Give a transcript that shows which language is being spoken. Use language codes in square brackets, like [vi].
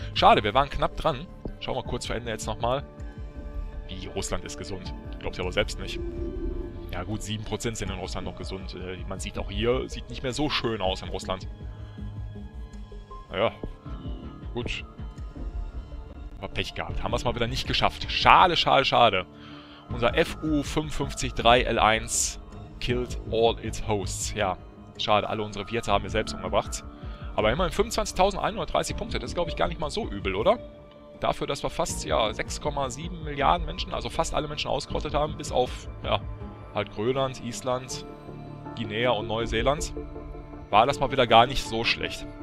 [de] Schade, wir waren knapp dran. Schauen wir kurz vor Ende jetzt nochmal. Wie, Russland ist gesund. Glaubt ihr aber selbst nicht. Ja gut, 7% sind in Russland noch gesund. Man sieht auch hier, sieht nicht mehr so schön aus in Russland. Ja, gut. Aber Pech gehabt. Haben wir es mal wieder nicht geschafft. Schade, schade, schade. Unser [en] FU553L1 killed all its hosts. [de] Ja, schade. Alle unsere Wirte haben wir selbst umgebracht. Aber immerhin 25.130 Punkte. Das ist, glaube ich, gar nicht mal so übel, oder? Dafür, dass wir fast ja 6,7 Milliarden Menschen, also fast alle Menschen ausgerottet haben, bis auf, ja, halt Grönland, Island, Guinea und Neuseeland, war das mal wieder gar nicht so schlecht.